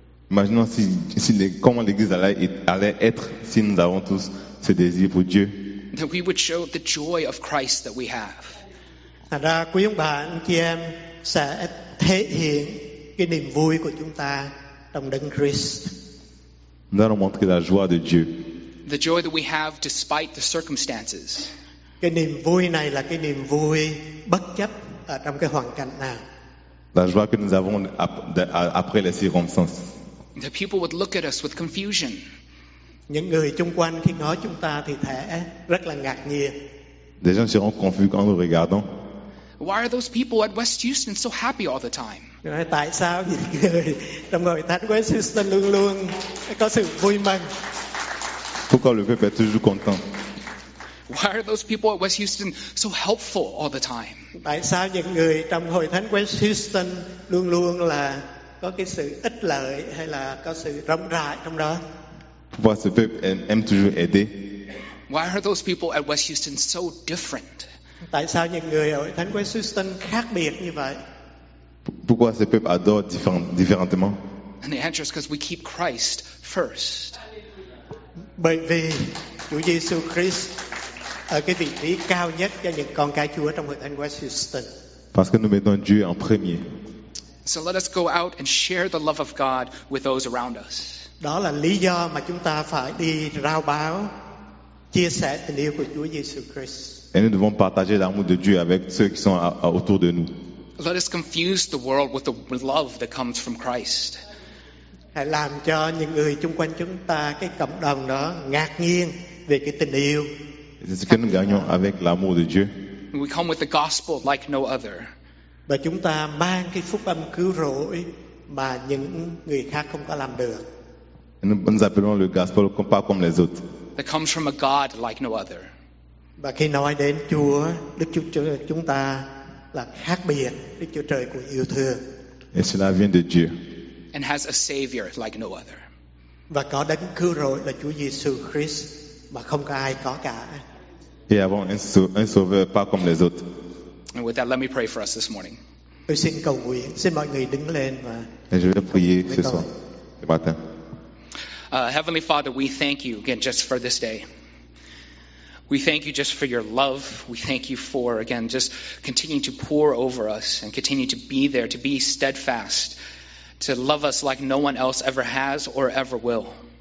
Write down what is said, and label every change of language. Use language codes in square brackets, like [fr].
[fr] Imaginons si comment l'église allait être si nous avons tous ce désir pour Dieu. [en] That we would show the joy of Christ that we have. [vi] Thành ra quý ông bà anh chị em sẽ thể hiện cái niềm vui của chúng ta trong Đấng Christ. [fr] Nous allons montrer la joie de Dieu. [en] The joy that we have despite the circumstances. [vi] Cái niềm vui này là cái niềm vui bất chấp ở trong cái hoàn cảnh nào. [fr] La joie que nous avons après les circonstances. [en] The people would look at us with confusion. [vi] Những người xung quanh khi ngó chúng ta thì thể rất là ngạc nhiên. [fr] Des gens seront confus quand nous regardons. [en] Why are those people at West Houston so happy all the time? [vi] Tại sao những người trong hội thánh West Houston luôn luôn có sự vui mừng? [fr] Pourquoi le peuple est toujours content? [en] Why are those people at West Houston so helpful all the time? [vi] Tại sao những người trong hội thánh West Houston luôn luôn là có cái sự ích lợi hay là có sự rộng rãi trong đó? [fr] Pourquoi ce peuple aime toujours aider? [en] Why are those people at West Houston so different? [vi] Tại sao những người ở thánh West Houston khác biệt như vậy? [fr] Pourquoi ce peuple adore différemment? [en] And the answer is because we keep Christ first. [vi] Bởi vì Chúa Giêsu Christ ở cái vị trí cao nhất cho những con cái Chúa trong hội thánh West Houston. [fr] Parce que nous mettons Dieu en premier. [en] So let us go out and share the love of God with those around us. [vi] Đó là lý do mà chúng ta phải đi rao báo chia sẻ tình yêu của Chúa Giêsu Christ. [fr] Et nous devons partager l'amour de Dieu avec ceux qui sont autour de nous. [en] Let us confuse the world with the love that comes from Christ. [vi] Hãy làm cho những người xung quanh chúng ta, cái cộng đồng đó, ngạc nhiên về cái tình yêu. [fr] C'est ce que nous gagnons avec l'amour de Dieu. [en] We come with the gospel like no other. [vi] Và chúng ta mang cái phúc âm cứu rỗi mà những người khác không có làm được. [fr] Nous appelons le gospel pas comme les autres. [en] That comes from a God like no other. [vi] Và khi nói đến Chúa, Đức Chúa Trời chúng ta là khác biệt, Đức Chúa Trời của yêu thương. [fr] Et cela vient de Dieu. [en] And has a savior like no other. [vi] Và có Đấng cứu rỗi là Chúa Giêsu Christ mà không có ai có cả. [fr] Et avons un sauveur pas comme les autres. [en] And with that, let me pray for us this morning. [vi] Tôi xin cầu nguyện, xin mọi người đứng lên và. [fr] Et je vais prier ce soir, ce matin. [en] Heavenly Father, we thank you again just for this day. We thank you just for your love. We thank you for, again, just continuing to pour over us and continue to be there, to be steadfast, to love us like no one else ever has or ever will.